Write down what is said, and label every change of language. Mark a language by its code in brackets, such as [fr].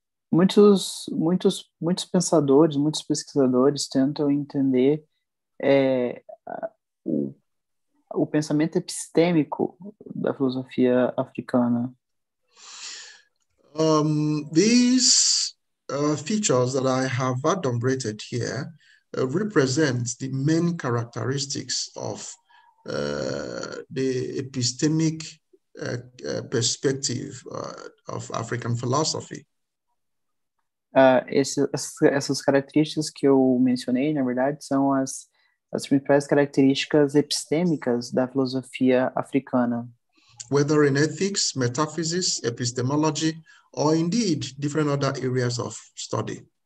[pt] Muitos pensadores, muitos pesquisadores tentam entender o pensamento epistêmico da filosofia africana. [en] These features that I have adumbrated here represent the main characteristics of the epistemic perspective of African philosophy. [pt] Essas características que eu mencionei, na verdade, são as principais características epistêmicas da filosofia africana. [en] Whether in ethics, metaphysics, epistemology, or indeed different other areas of study.